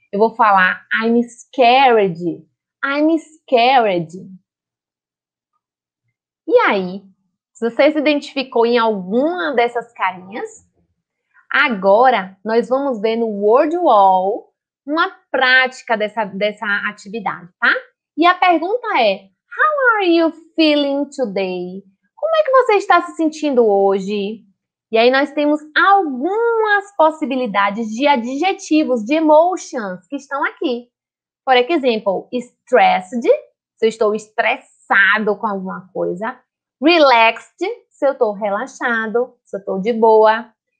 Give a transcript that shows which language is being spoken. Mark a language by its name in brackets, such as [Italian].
[Portuguese] Eu vou falar [English] I'm scared. I'm scared. [Portuguese] E aí, Você se identificou em alguma dessas carinhas? Agora, nós vamos ver no Word Wall uma prática dessa atividade, tá? E a pergunta é: [English] How are you feeling today? [Portuguese] Como é que você está se sentindo hoje? E aí nós temos algumas possibilidades de adjetivos, de emotions, que estão aqui. Por exemplo, stressed, se eu estou estressado com alguma coisa. Relaxed, se eu estou relaxado, se eu estou de boa.